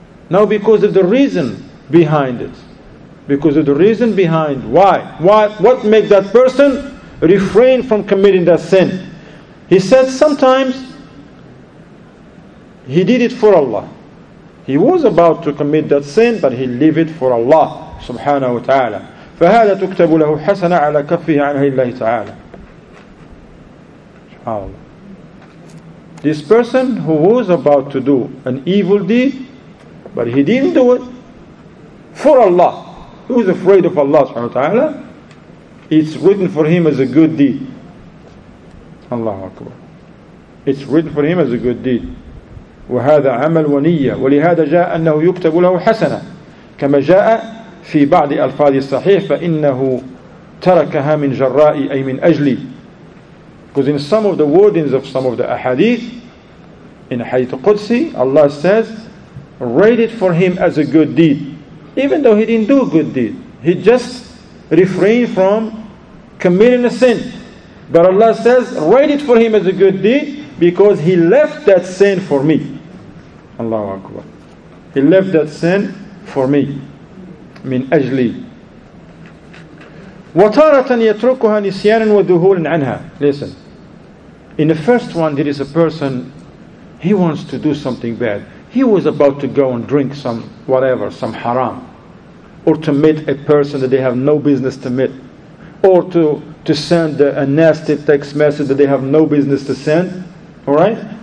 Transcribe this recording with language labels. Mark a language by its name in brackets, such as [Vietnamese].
[English] Now because of the reason behind it, because of the reason behind why, what makes that person refrain from committing that sin? He said sometimes he did it for Allah. He was about to commit that sin, but he leave it for Allah subhanahu wa ta'ala. [Arabic] فهذا تكتب له حسنة على كفه عنه الله تعالى. [English] This person who was about to do an evil deed, but he didn't do it for Allah, who is afraid of Allah subhanahu wa ta'ala, it's written for him as a good deed. Allahu Akbar. It's written for him as a good deed. [Arabic] وهذا عمل ونية ولهذا جاء أنه يكتب له حسنة كما جاء في بعض الفاظ الصحيح فإنه تركها من جرائي أي من أجلي. [English] Because in some of the wordings of some of the ahadith, in Hadith Qudsi, Allah says, write it for him as a good deed. Even though he didn't do a good deed, he just refrained from committing a sin. But Allah says, write it for him as a good deed because he left that sin for me. Allahu Akbar. He left that sin for me. [Arabic] من أجلي. وطارة يتركها نسيانا وذهولا عنها. [English] Listen. In the first one, there is a person, he wants to do something bad. He was about to go and drink some whatever, some haram. Or to meet a person that they have no business to meet. Or to send a nasty text message that they have no business to send. Alright?